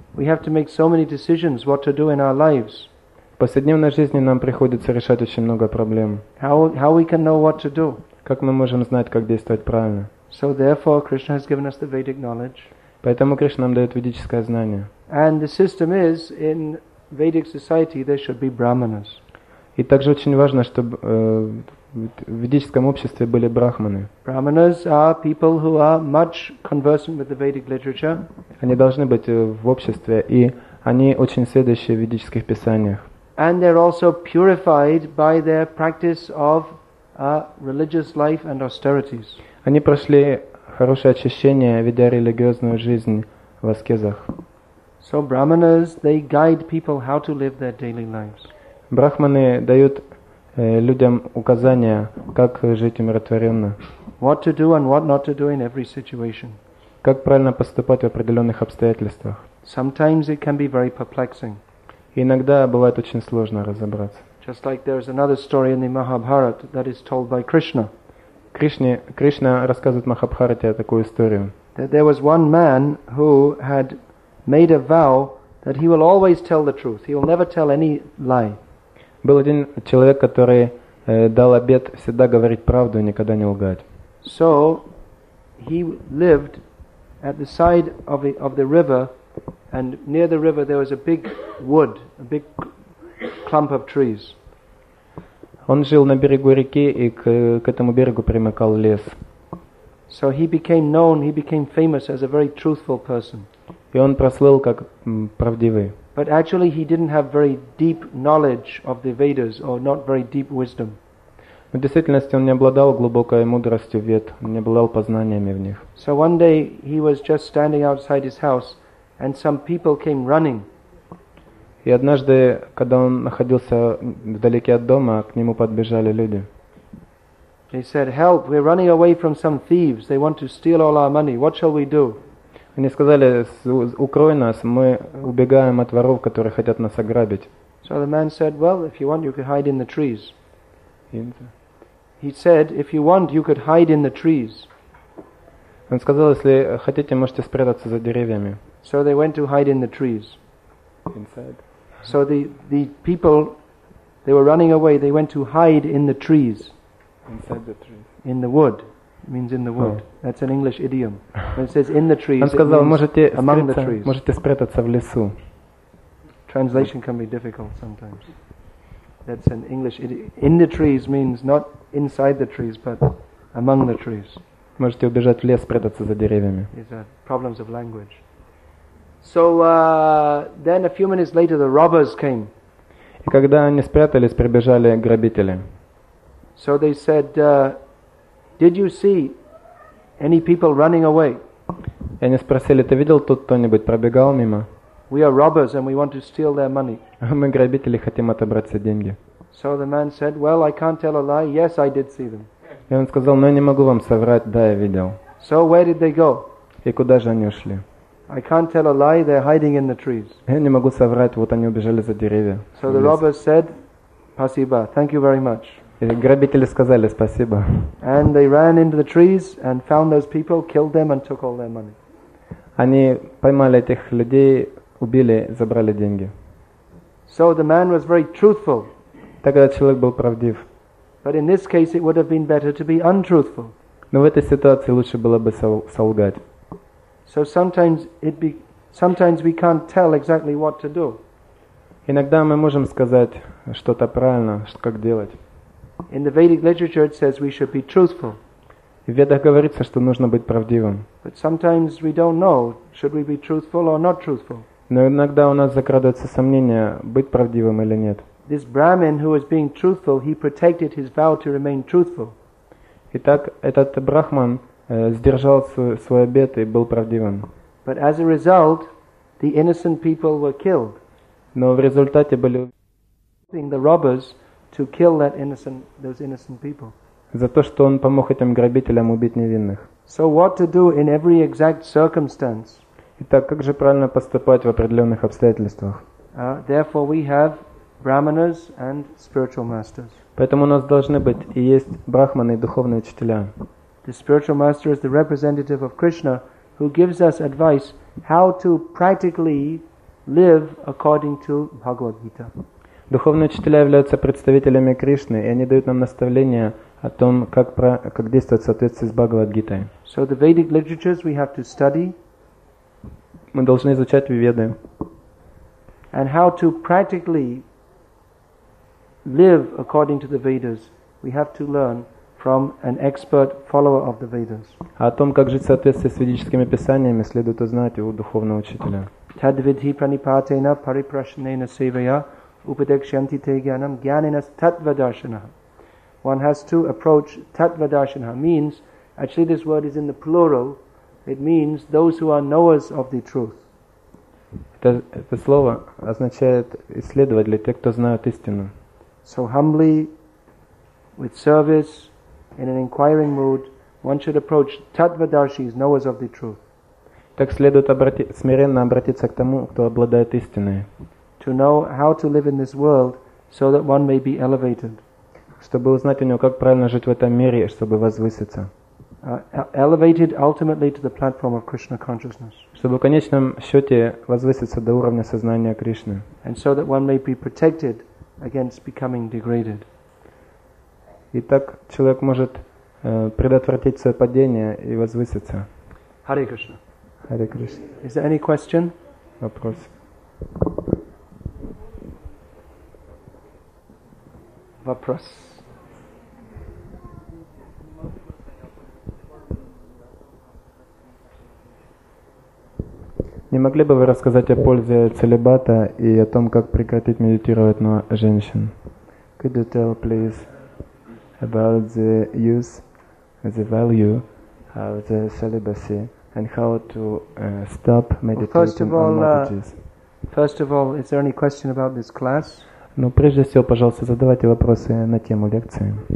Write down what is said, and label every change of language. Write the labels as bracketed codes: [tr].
[en] We have to make so many decisions what to do in our lives. [ru] В повседневной жизни нам приходится решать очень много проблем. [en] How we can know what to do? [ru] Как мы можем знать, как действовать правильно? [en] So therefore Krishna has given us the Vedic knowledge. [ru] Поэтому Кришна нам дает ведическое знание. [en] And the system is in Vedic society there should be brahmanas. [ru] И также очень важно, чтобы в ведическом обществе были брахманы. [en] Brahmanas are people who are much conversant with the Vedic literature. [ru] Они должны быть в обществе, и они очень сведущие в ведических писаниях. [en] And they're also purified by their practice of religious life and austerities. [ru] Они прошли хорошее очищение, ведя религиозную жизнь в аскезах. [en] So brahmanas, they guide people how to live their daily lives. [ru] Брахманы дают людям указания, как жить умиротворенно. [en] What to do and what not to do in every situation. [ru] Как правильно поступать в определенных обстоятельствах. [en] Sometimes it can be very perplexing. [ru] Иногда бывает очень сложно разобраться. [en] Just like there is another story in the Mahabharata that is told by Krishna. [ru] Кришна рассказывает в Махабхарате такую историю. [en] That there was one man who had made a vow that he will always tell the truth. He will never tell any lie. [ru] Был один человек, который дал обет всегда говорить правду и никогда не лгать. [en] So he lived at the side of the river, and near the river there was a big wood, a big clump of trees. [ru] Он жил на берегу реки, и к этому берегу примыкал лес. [en] So he became known, he became famous as a very truthful person. [ru] И он прослыл как правдивый. [en] But actually he didn't have very deep knowledge of the Vedas or not very deep wisdom. [ru] В действительности он не обладал глубокой мудростью Вед, не обладал познаниями в них. [en] So one day he was just standing outside his house and some people came running. [ru] И однажды, когда он находился вдалеке от дома, к нему подбежали люди. [en] They said, "Help, we're running away from some thieves. They want to steal all our money. What shall we do?" [ru] Они сказали: «Укрой нас, мы убегаем от воров, которые хотят нас ограбить». [en] So the man said, "Well, if you want, you could hide in the trees." He said, "If you want, you could hide in the trees." [ru] Он сказал: «Если хотите, можете спрятаться за деревьями». [en] So they went to hide in the trees. Inside. So the people, they were running away. They went to hide in the trees. Inside the trees. In the wood. means in the wood. Oh. That's an English idiom. When it says in the trees, [ru] он сказал, [en] it means [ru] можете [en] among [ru] скрыться, [en] the trees. [ru] Можете спрятаться в лесу. [en] Translation can be difficult sometimes. That's an English idiom. In the trees means not inside the trees, but among the trees. [ru] Можете убежать в лес, спрятаться за деревьями. [en] These are problems of language. So then a few minutes later the robbers came. [ru] И когда они спрятались, прибежали грабители. [en] So they said, did you see any people running away? [ru] И они спросили, ты видел тут кто-нибудь пробегал мимо? [en] We are robbers and we want to steal their money. [ru] Мы грабители, хотим отобрать все деньги. [en] So the man said, well, I can't tell a lie. Yes, I did see them. [ru] И он сказал, но я не могу вам соврать, да, я видел. [en] So where did they go? [ru] И куда же они ушли? [en] I can't tell a lie. They're hiding in the trees. [ru] Я не могу соврать, вот они убежали за деревья. [en] So the robbers said, [ru] "Спасибо, [en] thank you very much." [ru] И грабители сказали спасибо. [en] And they ran into the trees and found those people, killed them and took all their money. [ru] Они поймали этих людей, убили, забрали деньги. [en] So the man was very truthful. [ru] Тогда человек был правдив. [en] But in this case, it would have been better to be untruthful. [ru] Но в этой ситуации лучше было бы солгать. [en] So sometimes we can't tell exactly what to do. [ru] Иногда мы можем сказать что-то правильно, что как делать. [en] In the Vedic literature it says we should be truthful. [ru] В Ведах говорится, что нужно быть правдивым. [en] But sometimes we don't know, should we be truthful or not truthful. [ru] Но иногда у нас закрадывается сомнение, быть правдивым или нет. [en] This Brahmin who was being truthful, he protected his vow to remain truthful. [ru] Итак, этот брахман сдержал свой обет и был правдивым. [en] But as a result, the innocent people were killed. [ru] Но в результате были убиты [en] the robbers to kill that innocent, those innocent people. [ru] За то, что он помог этим грабителям убить невинных. [en] So what to do in every exact circumstance? [ru] Итак, как же правильно поступать в определенных обстоятельствах? [en] Therefore we have brahmanas and spiritual masters. [ru] Поэтому у нас должны быть и есть брахманы и духовные учителя. [en] The spiritual master is the representative of Krishna who gives us advice how to practically live according to Bhagavad Gita. [ru] Духовные учителя являются представителями Кришны, и они дают нам наставления о том, как действовать в соответствии с Бхагавад Гитой. [en] So the Vedic literatures we have to study. [ru] Мы должны изучать Веды. [en] And how to practically live according to the Vedas, we have to learn from an expert follower of the Vedas. [ru] О том, как жить в соответствии с ведическими писаниями, следует узнать у духовного учителя. [sa] Tadvidhi pranipatena pariprashnena sevaya upadekshyanti te gyanam gyaninas tattvadarshanah. [en] One has to approach tattvadarshanah. Means, actually this word is in the plural, it means those who are knowers of the truth. [ru] Это слово означает исследователи, те, кто знают истину. [en] So humbly, with service, in an inquiring mood, one should approach tattvadarshis, knowers of the truth. [ru] Так следует смиренно обратиться к тому, кто обладает истиной. [en] To know how to live in this world, so that one may be elevated. [ru] Чтобы узнать у него, как правильно жить в этом мире, чтобы возвыситься. [en] Elevated ultimately to the platform of Krishna consciousness. [ru] Чтобы в конечном счете возвыситься до уровня сознания Кришны. [en] And so that one may be protected against becoming degraded. [ru] И так человек может предотвратить свое падение и возвыситься. [en] Hare Krishna. Hare Krishna. Is there any question? [ru] Вопрос. Вопрос. Не могли бы вы рассказать о пользе целибата и о том, как прекратить медитировать на женщин? [en] Could you tell, please? About the use, the value of the celibacy, and how to stop meditating well, first of all, on marriages. First of all, is there any question about this class? [ru] Ну, прежде всего, пожалуйста, задавайте вопросы на тему лекции.